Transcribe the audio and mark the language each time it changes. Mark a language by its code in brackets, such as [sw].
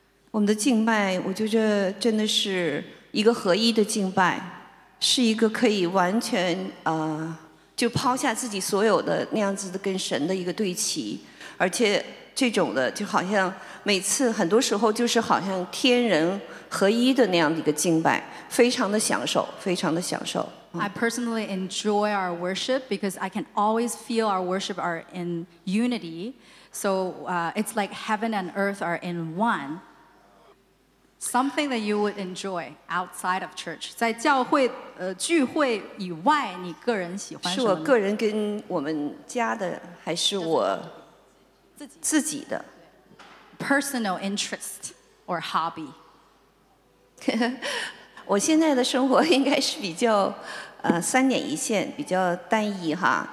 [zh] 我们的敬拜，我觉得真的是一个合一的敬拜，是一个可以完全就抛下自己所有的那样子的跟神的一个对齐，而且这种的就好像每次很多时候就是好像天人合一的那样的一个敬拜，非常的享受，非常的享受。 [en] I personally enjoy our worship because I can always feel our worship are in unity. So it's like heaven and earth are in one. Something that you would enjoy outside of church. [zh] 在教会聚会以外，你个人喜欢什么？是我个人跟我们家的，还是我自己的 [en] personal interest or hobby? [zh] 我现在的生活应该是比较三点一线，比较单一哈。